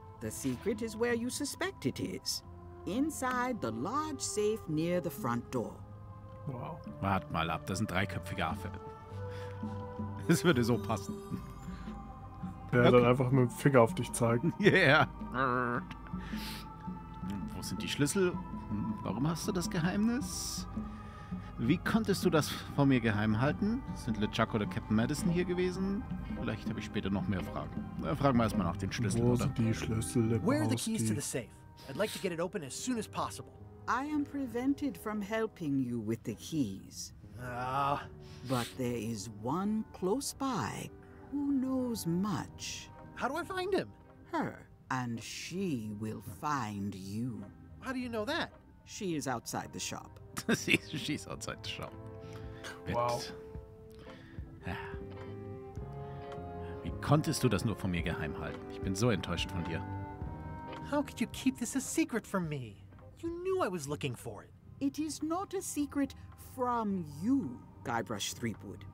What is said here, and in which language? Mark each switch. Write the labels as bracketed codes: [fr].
[en] The secret is where you suspect it is. Inside the large safe near the front door. Wow. [de] Wart mal ab, das ist ein dreiköpfiger Affe. Das würde so passen. Der dann einfach mit dem Finger auf dich zeigen. [en] Yeah. [de] Wo sind die Schlüssel? Warum hast du das Geheimnis? Wie konntest du das von mir geheim halten? Sind LeChuck oder Captain Madison hier gewesen? Vielleicht habe ich später noch mehr Fragen. Na, fragen wir erstmal nach den Schlüsseln, oder? Wo sind die Schlüssel, Lebowski? [en] Where are the keys to the safe? I'd like to get it open as soon as possible. I am prevented from helping you with the keys. But there is one close by who knows much. How do I find him? Her. And she will find you. How do you know that? She is outside the shop. She's outside the shop. Bit. Wow. [de] Ja. Wie konntest du das nur von mir geheim halten? Ich bin so enttäuscht von dir. [en] How could you keep this a secret from me? You knew I was looking for it. It is not a secret from you, Guybrush Threepwood.